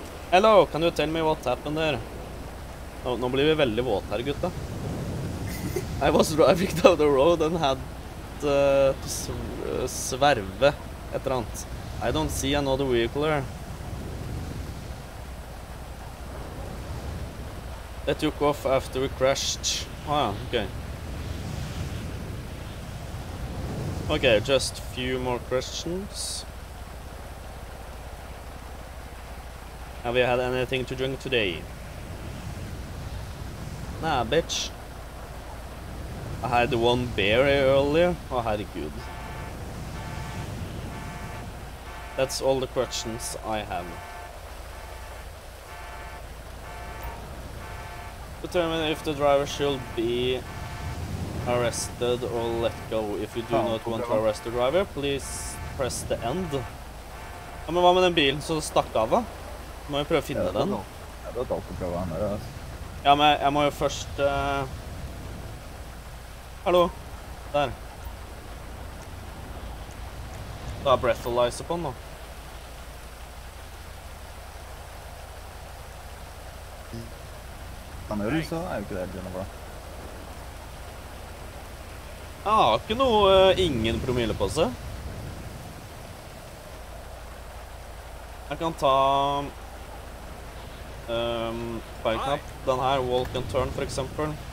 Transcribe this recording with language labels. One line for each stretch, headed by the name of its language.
English: Hello, can you tell me what happened there?
Norwegian: Nå blir vi veldig våt her, gutta.
English: I was driving down the road and had to sverve
Norwegian: et eller annet.
English: I don't see another vehicle here. They took off after we crashed. Ah, ok. Ok, just a few more questions. Have you had anything to drink today? Nah, bitch. I had one beer earlier.
Norwegian: Oh, herregud.
English: That's all the questions I have. Determine if the driver should be arrested or let go. If you do not want to arrest the driver, please press the end.
Norwegian: Ja, men hva med den bilen som stakk av da? Må jeg prøve å finne den. Ja, det er alt å prøve den der, altså. Ja, men jeg må jo først... Hallo? Der. Da har breathalyzer på den, da. Den er jo så, er jo ikke det hele tiden, bra. Jeg har ikke noe ingen promille på seg. Jeg kan ta... Fireknapp, den her, walk and turn for eksempel.